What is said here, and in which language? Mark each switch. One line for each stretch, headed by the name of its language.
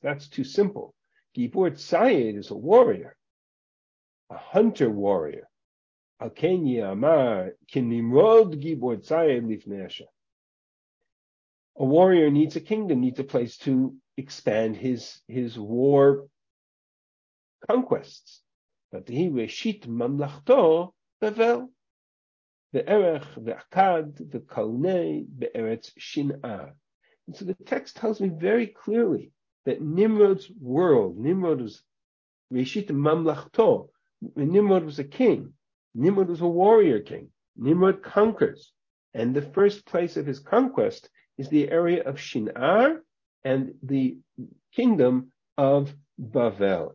English: That's too simple. Gibor tzayid is a warrior, a hunter warrior.
Hebrew: Al ken yamar kin Nimrod gibor tzayid lifnei Hashem.
English: A warrior needs a kingdom, needs a place to expand his war conquests.
Hebrew: ותהי ראשית ממלכתו בבל. וערך ועקד וקלנה בארץ שנער.
English: And so the text tells me very clearly that Nimrod's world, Nimrod was Rishit Mamlachto, when Nimrod was a king, Nimrod was a warrior king, Nimrod conquers. And the first place of his conquest is the area of Shinar and the kingdom of Babel.